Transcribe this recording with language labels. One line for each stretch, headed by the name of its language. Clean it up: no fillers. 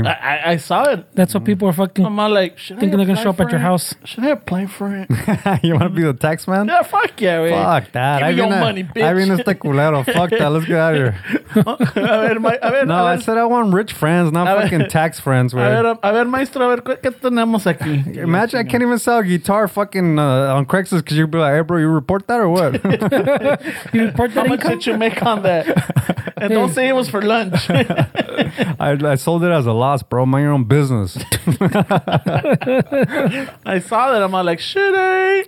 English: I saw it. That's what people are fucking thinking they're gonna show up at your house. Should I apply for it? You wanna be the tax man? Yeah, fuck yeah, man. Fuck that. Give me your money, bitch. I mean, it's the culero. Fuck that. Let's get out of here. I said I want rich friends, not fucking tax friends.
Spanish: A ver, maestro, a ver, ¿qué tenemos aquí?
English: Imagine, I can't even sell a guitar fucking on Craigslist because you'd be like, hey, bro, you report that or what? You report that income? How much did you make on that? And don't say it was for lunch. I sold it as a loss, bro. Mind your own business. I saw that. I'm like, should I?